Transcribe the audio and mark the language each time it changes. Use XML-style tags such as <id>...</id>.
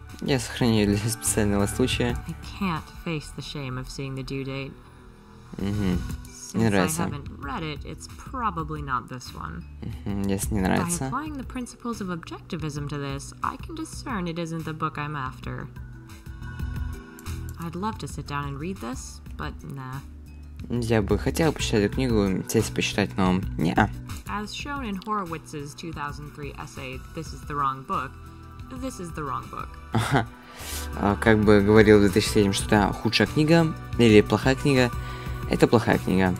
<ru>Я сохраню ее для специального случая.</ru> <en>I can't face the shame of seeing the due date.</en> <ru>Не нравится.</ru> <en>I haven't read it, it's probably not this one.</en> <ru>Если не нравится.</ru> <en>By applying the principles of objectivism to this, I can discern it isn't the book I'm after. I'd love to sit down and read this, but nah.</en> <ru>Я бы хотел почитать эту книгу, сесть почитать, но не.</ru> <en>As shown in Horowitz's 2003 essay, This is the Wrong Book. This is the wrong book.</en> <ru>Как бы говорил в 2007, что это худшая книга или плохая книга, это плохая книга.</ru>